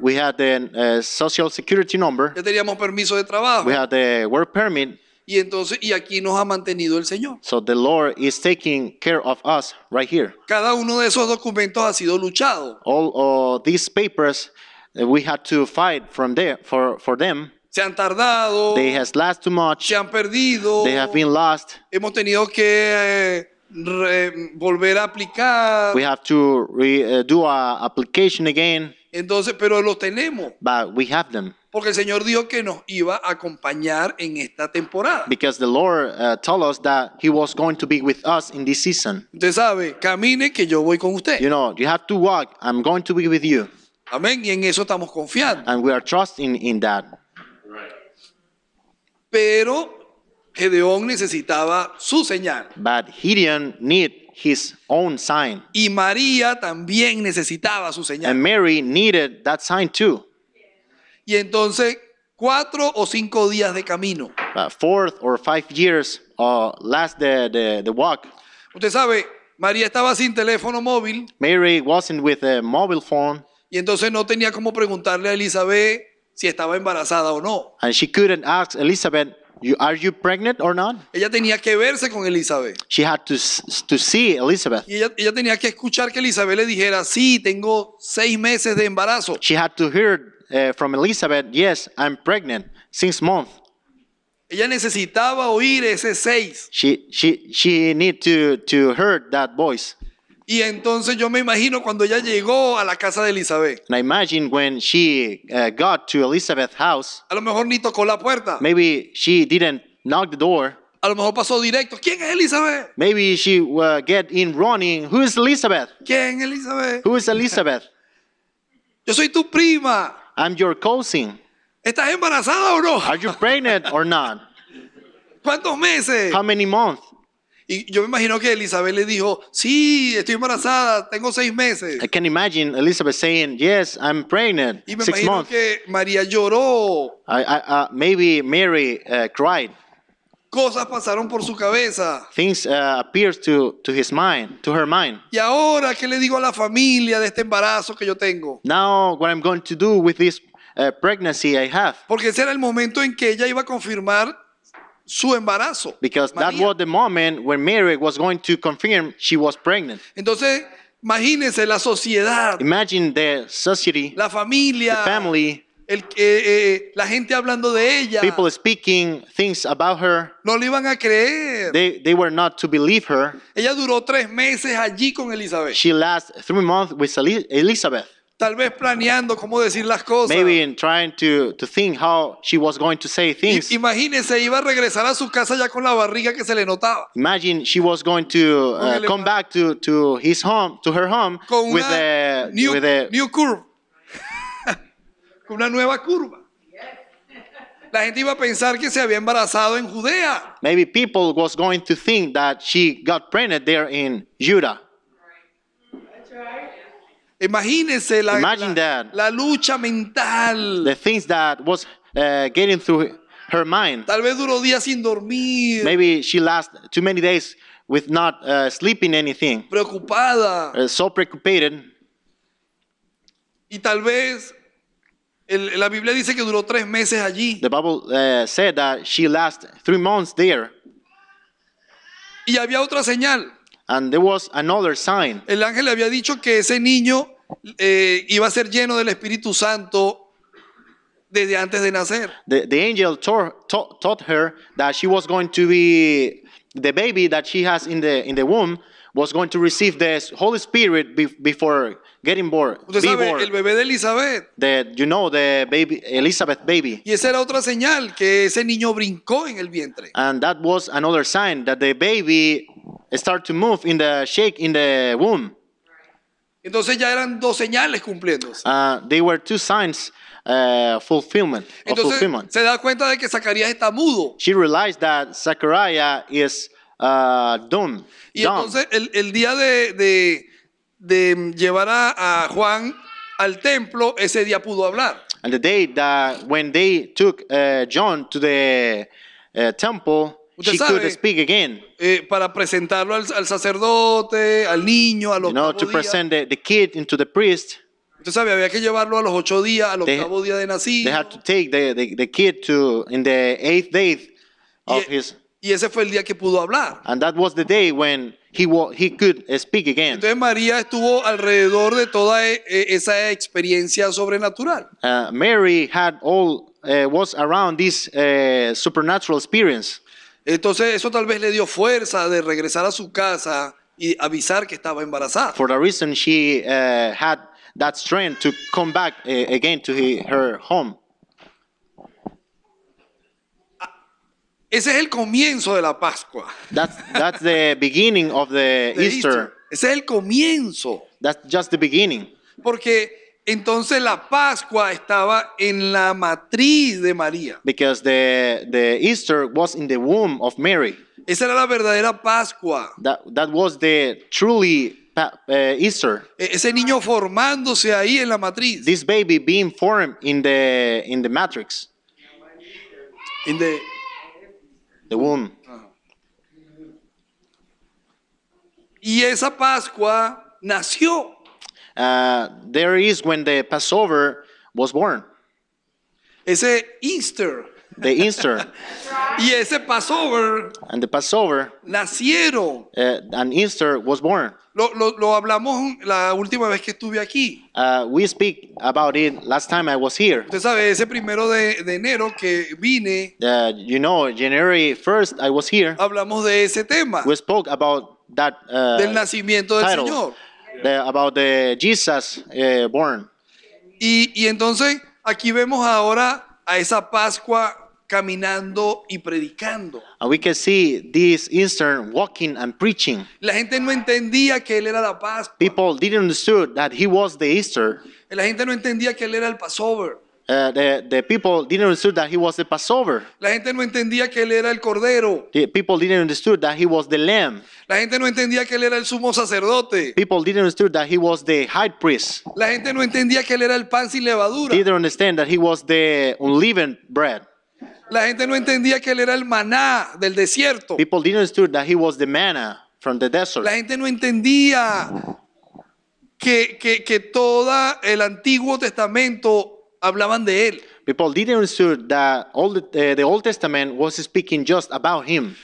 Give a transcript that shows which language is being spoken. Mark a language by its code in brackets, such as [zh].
[en] We had the social security number. [es] Ya teníamos permiso de trabajo. [en] We had the work permit. [es] Y entonces, y aquí nos ha mantenido el Señor. [en] So the Lord is taking care of us right here. [es] Cada uno de esos documentos ha sido luchado. [en] All of these papers, we had to fight from there for them. [es] Se han tardado. [en] They has lost too much. [es] Se han perdido. [en] They have been lost. [es] Hemos tenido que volver a aplicar. [en] We have to do a application again. [es] Entonces, pero los tenemos. [en] But we have them. [es] Porque el Señor dijo que nos iba a acompañar en esta temporada. [en] Because the Lord told us that He was going to be with us in this season. [es] Usted sabe, camine que yo voy con usted. [en] You know, you have to walk. I'm going to be with you. [es] Amén. Y en eso estamos confiando. [en] And we are trusting in that. [es] Pero Gedeón necesitaba su señal. [en] But Gideon need his own sign. [es] Y María también necesitaba su señal. [en] And Mary needed that sign too. [es] Y entonces, 4 o 5 días de camino. [en] About 4 or 5 years last the walk. [es] Usted sabe, María estaba sin teléfono móvil. [en] Mary wasn't with a mobile phone. [es] Y entonces no tenía cómo preguntarle a Elizabeth si estaba embarazada o no. [en] And she couldn't ask Elizabeth, are you pregnant or not? [es] Ella tenía que verse con Elizabeth. [en] She had to see Elizabeth. [es] Y ella tenía que escuchar que Elizabeth le dijera, sí, tengo 6 meses de embarazo. [en] She had to hear from Elizabeth, yes, I'm pregnant, 6 months. [es] Ella necesitaba oír ese seis. [en] She need to hear that voice. [es] Y entonces yo me imagino cuando ella llegó a la casa de Elizabeth. [en] And I imagine when she got to Elizabeth's house. [es] A lo mejor ni tocó la puerta. [en] Maybe she didn't knock the door. [es] A lo mejor pasó directo. ¿Quién es Elizabeth? [en] Maybe she get in running. Who is Elizabeth? [es] ¿Quién es Elizabeth? [en] Who is Elizabeth? [es] Yo soy tu prima. [en] I'm your cousin. [es] ¿Estás embarazada o no? [en] Are you pregnant or not? [es] ¿Cuántos meses? [en] How many months? [es] Y yo me imagino que Elizabeth le dijo, sí, estoy embarazada, tengo 6 meses. [en] I can imagine Elizabeth saying, yes, I'm pregnant, 6 months. [es] Y me imagino [en] months. [es] Que María lloró. [en] Maybe Mary cried. [es] Cosas pasaron por su cabeza. [en] Things appears to his mind, to her mind. [es] ¿Y ahora qué le digo a la familia de este embarazo que yo tengo? [en] Now what I'm going to do with this pregnancy I have. [es] Porque ese era el momento en que ella iba a confirmar su embarazo. [en] Because that [es] María. [en] Was the moment when Mary was going to confirm she was pregnant. [es] Entonces, imagínese la sociedad. [en] Imagine the society. [es] La familia. [en] The family. [es] La gente hablando de ella. [en] People speaking things about her. [es] No le iban a creer. [en] They were not to believe her. [es] Ella duró 3 meses allí con Elizabeth. [en] She last 3 months with Elizabeth. [es] Tal vez planeando cómo decir las cosas. [en] Maybe in trying to think how she was going to say things. [es] Imagínese, iba a regresar a su casa ya con la barriga que se le notaba. [en] Imagine she was going to come back to his home, to her home, [es] con [en] with [es] una [en] a new, with a new curve. [es] Con una nueva curva. La gente iba a pensar que se había embarazado en Judea. [en] Maybe people was going to think that she got pregnant there in Judah. [es] Imagínese la lucha mental. [en] The things that was getting through her mind. [es] Tal vez duró días sin dormir. [en] Maybe she last too many days with not sleeping anything. [es] Preocupada. [en] So preoccupated. [es] Y tal vez la Biblia dice que duró tres meses allí. [en] The Bible said that she last 3 months there. [es] Y había otra señal. [en] And there was another sign. [es] El ángel le había dicho que ese niño iba a ser lleno del Espíritu Santo desde antes de nacer. [en] The angel taught her that she was going to be the baby that she has in the womb was going to receive the Holy Spirit before getting born. [es] Usted sabe, el bebé de Elizabeth. [en] The baby Elizabeth baby. [es] Y esa era otra señal que ese niño brincó en el vientre. [en] And that was another sign that the baby started to move in the shake in the womb. [es] Entonces ya eran dos señales cumpliéndose. [en] They were two signs fulfillment. [es] Entonces, [en] fulfillment. [es] Se da cuenta de que Zacarías está mudo. [en] She realized that Zachariah is dumb. [es] Y entonces el día de llevar a Juan al templo, ese día pudo hablar. [en] And the day that when they took John to the temple, [es] usted [en] she [es] sabe, [en] could speak again. [es] Para presentarlo al sacerdote, al niño, al octavo día. [en] To present the kid into the priest. [es] Usted sabe, había que llevarlo a los ocho días, al octavo día de nacido. [en] They had to take the kid to in the eighth day of his. [es] Y ese fue el día que pudo hablar. [en] And that was the day when he could speak again. [es] Entonces María estuvo alrededor de toda esa experiencia sobrenatural. [en] Mary had all was around this supernatural experience. [es] Entonces eso tal vez le dio fuerza de regresar a su casa y avisar que estaba embarazada. [en] For the reason she had that strength to come back again to her home. [es] Ese es el comienzo de la Pascua. [en] That's the beginning of the Easter. [es] Ese es el comienzo. [en] That's just the beginning. [es] Porque entonces la Pascua estaba en la matriz de María. [en] Because the Easter was in the womb of Mary. [es] Esa era la verdadera Pascua. [en] That was the truly Easter. [es] Ese niño formándose ahí en la matriz. [en] This baby being formed in the matrix. In the womb. [es] Y esa Pascua nació. [en] There is when the Passover was born. [es] Ese Easter. [en] The Easter. [es] Y ese Passover. [en] And the Passover. [es] Nacieron. [en] And Easter was born. [es] Lo hablamos la última vez que estuve aquí. [en] We speak about it last time I was here. [es] Usted sabe, ese primero de enero que vine. [en] You know, January 1st I was here. [es] Hablamos de ese tema. [en] We spoke about that [es] del nacimiento [en] title. [es] Del Señor. [en] About the Jesus born. [es] Y entonces aquí vemos ahora a esa Pascua caminando y predicando. [en] And we can see this Easter walking and preaching. [es] La gente no entendía que él era la Pascua. [en] People didn't understand that he was the Easter. [es] La gente no entendía que él era el Passover. [en] The people didn't understand that he was the Passover. [es] La gente no entendía que él era el Cordero. [en] The people didn't understand that he was the Lamb. [es] La gente no entendía que él era el Sumo Sacerdote. [en] People didn't understand that he was the High Priest. [es] La gente no entendía que él era el pan sin levadura. [en] Didn't understand that he was the unleavened bread. [es] La gente no entendía que él era el maná del desierto. [en] People didn't understand that he was the manna from the desert. [es] La gente no entendía que todo el Antiguo Testamento hablaban de él. [en] People didn't understand that all the Old Testament was speaking just about him.